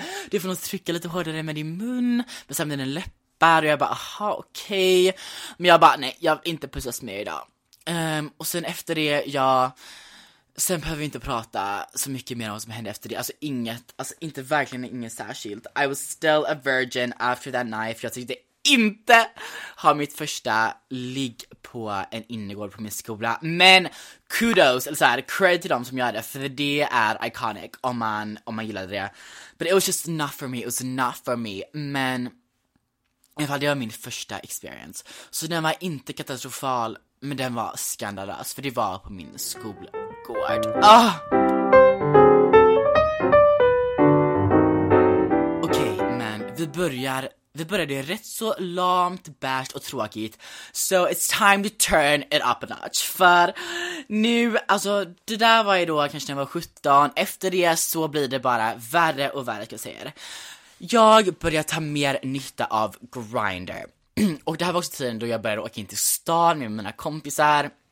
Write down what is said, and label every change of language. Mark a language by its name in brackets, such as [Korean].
[Swedish] Du får nog trycka lite hårdare med din mun, med sen med din läppar. Och jag bara, aha, okej. Okay. Men jag bara, nej, jag vill inte pussas mer idag. Och sen efter det, jag, sen behöver vi inte prata så mycket mer om vad som hände efter det. Alltså inget, alltså inte verkligen inget särskilt. [English] I was still a virgin after that night. [Swedish] För jag tyckte inte ha mitt första ligg på en innergård på min skola. Men kudos, eller så här, cred till dem som gör det, för det är iconic om man gillade det. [English] But it was just not for me, it was not for me. [Swedish] Men i alla fall, det var min första experience. Så den var inte katastrofal, men den var skandalös, för det var på min skolgård. Ah! Okej, Vi började rätt så lamt, bärst och tråkigt. [English] So it's time to turn it up a notch. [Swedish] För nu, alltså det där var ju då kanske när jag var 17. Efter det så blir det bara värre och värre, ska jag säga. Jag börjar ta mer nytta av Grindr. Och det här var också tiden då jag började åka in till stan med mina kompisar.